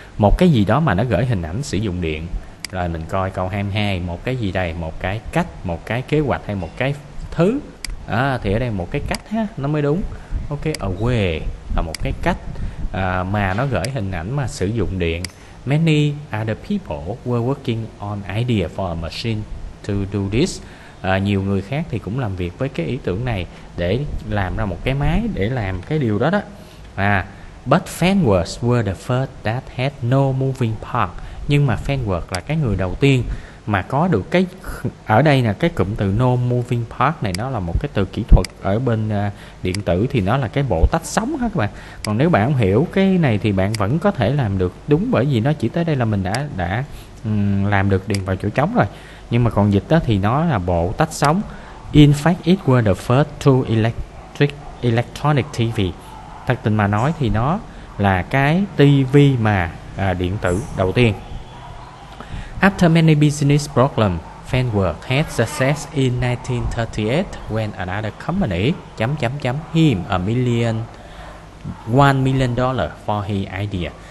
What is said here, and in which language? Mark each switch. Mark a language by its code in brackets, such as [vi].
[vi] Một cái gì đó mà nó gửi hình ảnh sử dụng điện. Rồi mình coi câu 22, một cái gì đây, một cái cách, một cái kế hoạch hay một cái thứ. Thì ở đây một cái cách ha, nó mới đúng. Ok, away là một cái cách mà nó gửi hình ảnh mà sử dụng điện. [en] Many other people were working on idea for a machine to do this. [vi] Nhiều người khác thì cũng làm việc với cái ý tưởng này để làm ra một cái máy để làm cái điều đó đó. [en] But Fanworks were the first that had no moving part. [vi] Nhưng mà Fanworks là cái người đầu tiên mà có được cái, ở đây là cái cụm từ [en] no moving part [vi] này, nó là một cái từ kỹ thuật ở bên điện tử, thì nó là cái bộ tách sóng hết các bạn. Còn nếu bạn không hiểu cái này thì bạn vẫn có thể làm được đúng, bởi vì nó chỉ tới đây là mình đã làm được điền vào chỗ trống rồi. Nhưng mà còn dịch đó thì nó là bộ tách sóng. [en] In fact, it was the first true electronic TV. [vi] Thật tình mà nói thì nó là cái TV mà điện tử đầu tiên. [en] After many business problems, Fanwork had success in 1938 when another company him a million, $1 million for his idea.